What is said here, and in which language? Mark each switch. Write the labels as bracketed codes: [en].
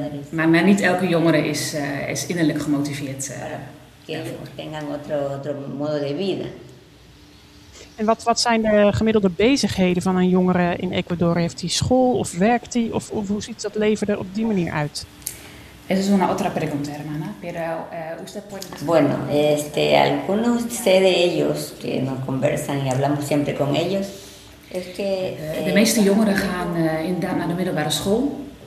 [nl] Maar niet elke jongere is innerlijk gemotiveerd daarvoor. En wat zijn de gemiddelde bezigheden van een jongere in Ecuador? Heeft hij school of werkt hij? Of hoe ziet dat leven er op die manier uit? [es] Esa es una otra pregunta, hermana. Pero usted puede. Bueno, algunos sé de ellos que nos conversan y hablamos siempre con ellos. Es que, [nl] de meeste jongeren gaan inderdaad naar de middelbare school.